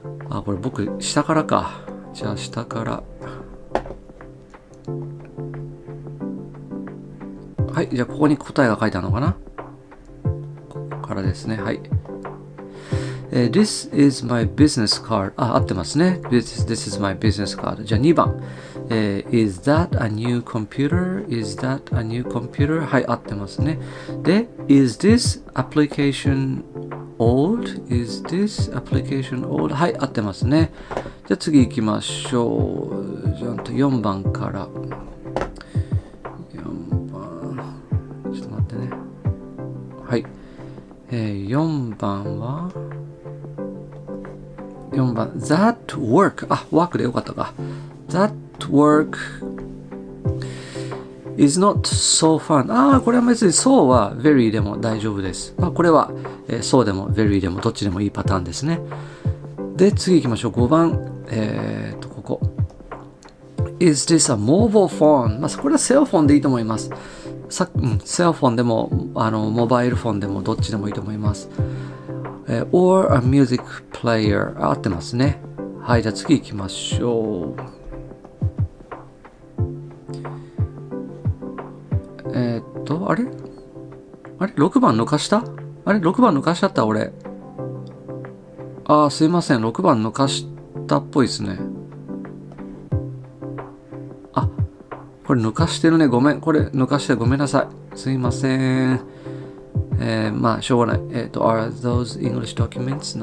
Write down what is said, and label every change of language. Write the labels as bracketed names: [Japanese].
[Japanese] あ、これ僕下からか。じゃあ下から、はい、じゃあここに答えが書いてあるのかな、ここからですね。 [English] はい、This is my business card. [Japanese] あ、合ってますね。 [English] This is my business card. [Japanese] じゃあ2番。 [English] Is that a new computer? Is that a new computer? [Japanese] はい、合ってますね。 [English] で、Is this application old? Is this application old? [Japanese] はい、合ってますね。じゃあ次行きましょう。じゃあ4番から。4番。ちょっと待ってね。はい。 4番は4番、 [English] That work、 [Japanese] あ、ワークでよかったか。 [English] That work is not so fun。 [Japanese] あ、これは別に so は very でも大丈夫です。まあ、これは、so でも very でもどっちでもいいパターンですね。で、次行きましょう。 5番、ここ [English] Is this a mobile phone? [Japanese] まあ、これはセルフォンでいいと思います。さ、うん、セルフォンでも、あの、モバイルフォンでもどっちでもいいと思います。 [English] Or a music player、 [Japanese] 合ってますね。はい、じゃあ次行きましょう。あれ、あれ6番抜かした、あれ6番抜かしちゃった俺。あー、すいません、6番抜かしたっぽいですね。あ、これ抜かしてるね。ごめん。これ抜かしてごめんなさい。すいません。まあ、しょうがない。 [English] Are those English documents?